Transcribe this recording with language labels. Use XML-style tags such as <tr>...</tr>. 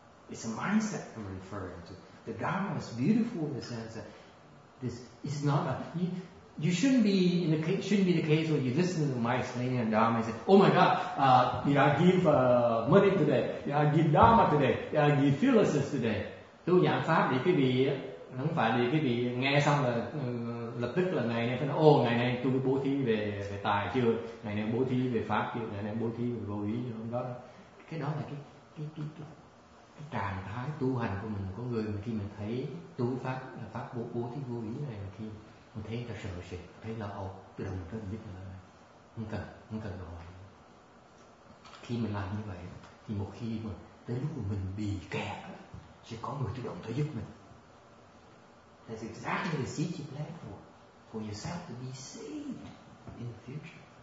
<en>It's a mindset I'm referring to. The Dharma is beautiful in the sense that this is not a you shouldn't be the case where you listen to my explaining of Dharma and say, oh my God, did I give money today? Did I give Dharma today? Did I give fearlessness today?</en> <vi>Tôi giảng pháp để quý vị không phải để quý vị nghe xong là lập tức là ngày nay phải nói, ngày nay tôi bố thí về tài chưa? Ngày nay bố thí về pháp chưa? Ngày nay bố thí về vô ý không đó? Cái đó là cái trạng thái tu hành của mình, của người mà khi mình thấy tu pháp là pháp bố thí vô ý này, mà khi mình thấy là sợ sệt, thấy là ồ, tự động mình biết là không cần rồi. Khi mình làm như vậy thì một khi mà tới lúc mà mình bị kẹt sẽ có người tự động tới giúp mình.</vi> <en>That's exactly the seat you plan for yourself to be saved in the future.</en>